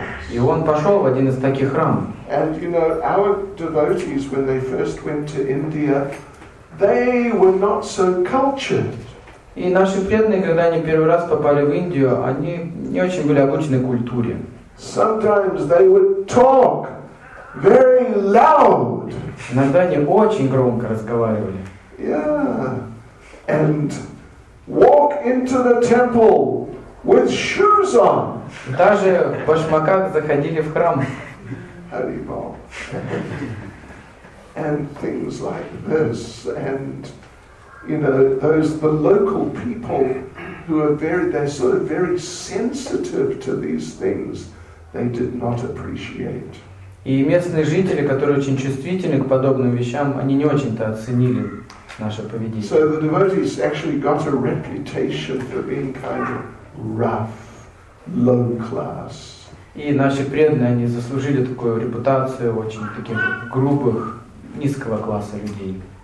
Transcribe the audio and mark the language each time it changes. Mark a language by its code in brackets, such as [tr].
[ru] И он пошел в один из таких храмов. И наши преданные, когда они первый раз попали в Индию, они не очень были обучены культуре. [en] Sometimes they would talk very loud. [ru] Иногда они очень громко разговаривали. [en] Yeah, and walk into the temple with shoes on. [ru] Даже в башмаках заходили в храм. [en] And things like this, and you know, those the local people who are very sensitive to these things, they did not appreciate. [ru] И местные жители, которые очень чувствительны к подобным вещам, они не очень-то оценили. Наше поведение. [en] So the devotees actually got a reputation for being kind of rough, low class. [ru] И наши преданные, они заслужили такую репутацию очень таких грубых, низкого класса людей.